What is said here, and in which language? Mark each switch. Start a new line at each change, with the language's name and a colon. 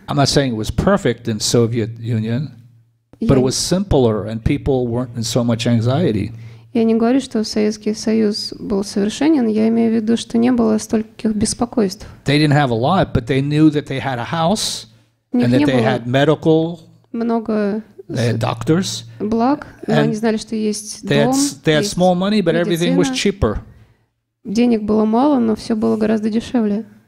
English: I'm not saying it was perfect in Soviet Union, but it was simpler and people weren't in so much anxiety.
Russian: Я не говорю, что Советский Союз был совершенен, я имею в виду, что не было стольких беспокойств.
English: They didn't have a lot, but they knew that they had a house and that they had medical.
Russian: Много.
English: They had doctors.
Russian: Благ, но они знали, что есть дом.
English: They had small money, but everything was cheaper.
Russian: Денег было мало, но все было гораздо дешевле.